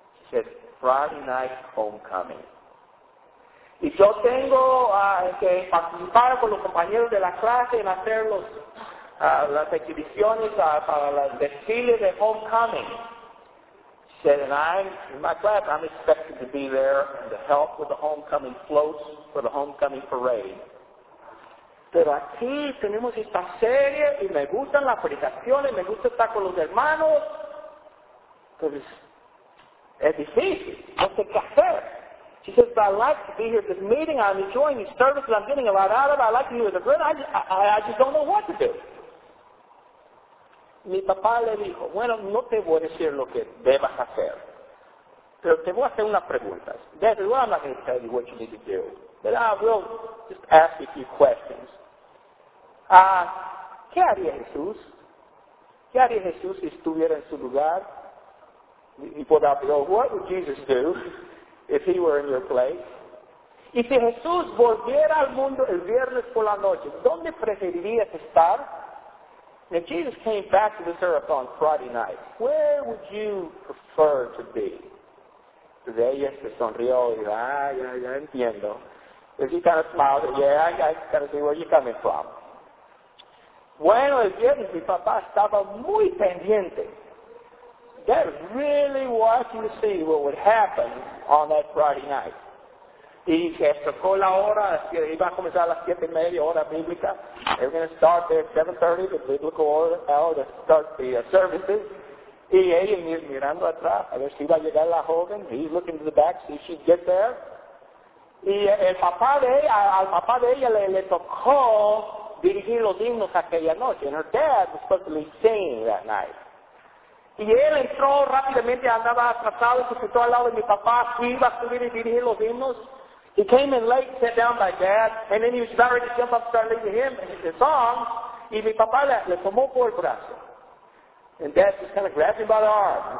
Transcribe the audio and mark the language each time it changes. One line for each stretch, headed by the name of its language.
English: She said, Friday night homecoming.
Spanish: Y yo tengo que participar con los compañeros de la clase en hacer las exhibiciones para las desfiles de homecoming.
English: She said, in my class, I'm expected to be there and to help with the homecoming floats for the homecoming parade.
Spanish: Pero aquí tenemos esta serie y me gustan las predicaciones, me gusta estar con los hermanos. Entonces, es difícil, no sé qué hacer.
English: She says, but I like to be here at this meeting, I'm enjoying these services, I'm getting a lot out of it, I like to be with a friend, I just don't know what to do.
Spanish: Mi papá le dijo, bueno, no te voy a decir lo que debas hacer, pero te voy a hacer unas preguntas. Desde luego,
English: I'm not going to tell you what you need to do. But I will just ask you a few questions.
Spanish: ¿Qué haría Jesús? ¿Qué haría Jesús si estuviera en su lugar? Y por ejemplo,
English: what would Jesus do if he were in your place?
Spanish: Y si Jesús volviera al mundo el viernes por la noche, ¿dónde preferirías estar?
English: If Jesus came back to this earth on Friday night, where would you prefer to be?
Spanish: De ella se sonrió y dijo, ya entiendo.
English: And he kind of smiled, I kind of see where you're coming from.
Spanish: Bueno, el viernes mi papá estaba muy pendiente.
English: They're really watching to see what would happen on that Friday night.
Spanish: Y se tocó la hora, iba a comenzar a las 7:30, hora bíblica.
English: They're going to start there at 7:30, the biblical hour to start the services.
Spanish: Y ella mirando atrás, a ver si iba a llegar la joven.
English: He's looking to the back, see if she'd get there.
Spanish: Y al papá de ella le tocó dirigir los himnos aquella noche.
English: And her dad was supposed to be singing that night.
Spanish: Y él entró rápidamente, andaba atrasado, se sentó al lado de mi papá, iba a subir y dirigir los himnos.
English: He came in late, sat down by dad, and then he was about ready to jump up and start leading him the song.
Spanish: Y mi papá le tomó por el brazo.
English: And dad just kind of grabbed him by the arm.